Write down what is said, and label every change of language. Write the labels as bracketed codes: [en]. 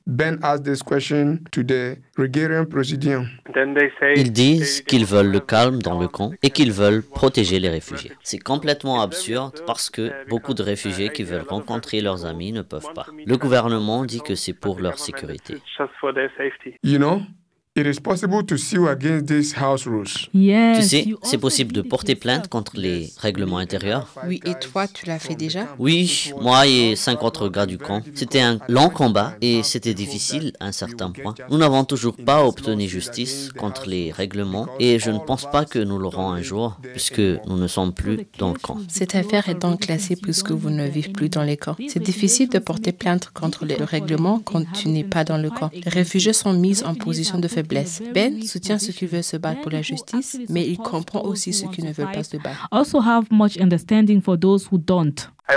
[en] Ben asked this question to the Regierung Präsidium. [fr] Ils disent qu'ils veulent le calme dans le camp et qu'ils veulent protéger les réfugiés. C'est complètement absurde parce que beaucoup de réfugiés qui veulent rencontrer leurs amis ne peuvent pas. Le gouvernement dit que c'est pour leur sécurité. [en] You know? It is possible to sue against these house rules. Yes, [fr] tu sais, c'est possible de porter plainte contre les règlements intérieurs. Oui, et toi, tu l'as fait déjà? Oui, moi et 5 autres gars du camp. C'était un long combat et c'était difficile à un certain point. Nous n'avons toujours pas obtenu justice contre les règlements et je ne pense pas que nous l'aurons un jour puisque nous ne sommes plus dans le camp. Cette affaire est donc classée puisque vous ne vivez plus dans les camps. C'est difficile de porter plainte contre les règlements quand tu n'es pas dans le camp. Les réfugiés sont mis en position de faiblesse. Ben soutient ceux qui veulent se battre pour la justice, mais il comprend aussi ceux qui ne veulent pas se battre. [en] Also have much understanding for those who don't.